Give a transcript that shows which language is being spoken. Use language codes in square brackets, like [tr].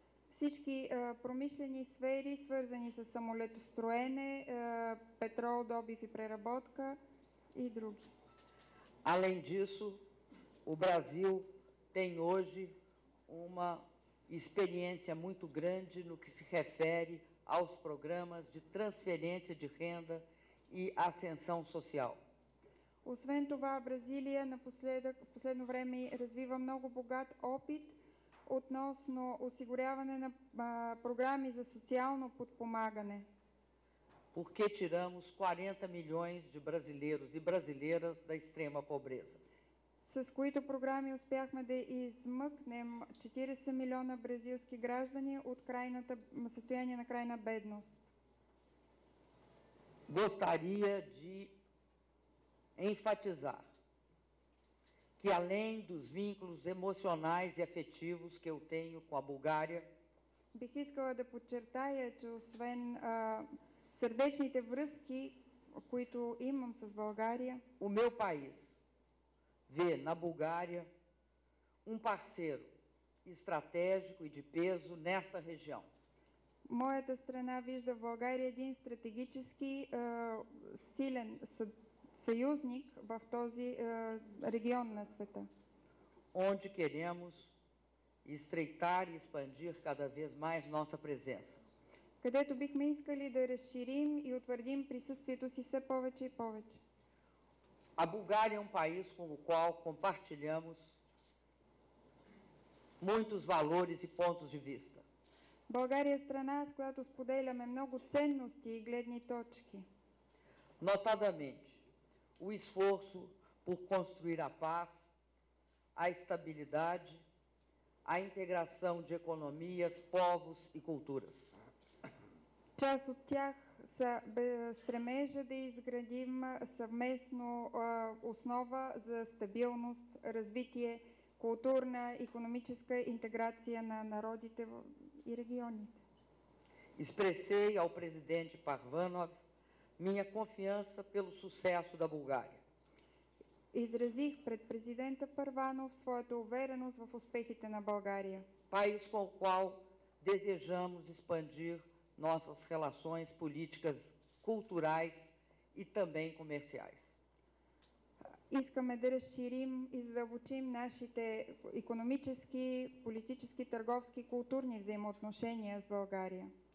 [bg] Всички промишлени сфери, свързани с самолетостроене, петрол, добив и преработка и други. [pt] Além disso, o Brasil tem hoje uma experiência muito grande no que se refere aos programas de transferência de renda e ascensão social. [bg] Освен това, Бразилия в последно време развива много богат опит относно осигуряване на програми за социално подпомагане. [pt] Porque tiramos 40 milhões de brasileiros e brasileiras da extrema pobreza. [bg] с които програми успяхме да измъкнем 40 милиона бразилски граждани от крайната състояние на крайна бедност. [pt] Gostaria de enfatizar que além dos vínculos emocionais e afetivos que eu tenho com a Bulgária, [bg] бих искала да подчертая, че освен сърдечните връзки, които имам с България, [pt] o meu país vê na Bulgária parceiro estratégico e de peso nesta região. [bg] Моята страна вижда в България един стратегически силен съюзник в този регион на света. [pt] Onde queremos estreitar e expandir cada vez mais nossa presença. [bg] Където бихме искали да разширим и утвърдим присъствието си все повече и повече. [pt] A Bulgária é país com o qual compartilhamos muitos valores e pontos de vista. [bg] България е страна, с която споделяме много ценности и гледни точки. [pt] Notadamente, o esforço por construir a paz, a estabilidade, a integração de economias, povos e culturas. [bg] Част от тях са стремежа да изградим съвместно основа за стабилност, развитие, културна, икономическа интеграция на народите и регионите. [pt] Expressei ao presidente Parvanov minha confiança pelo sucesso da Bulgária. [bg] Изразих пред президента Парванов своята увереност в успехите на България. [pt] País com o qual desejamos expandir nossas relações políticas, culturais e também comerciais. [bg] Искаме да разширим и задълбочим нашите икономически, политически, търговски, културни взаимоотношения с България.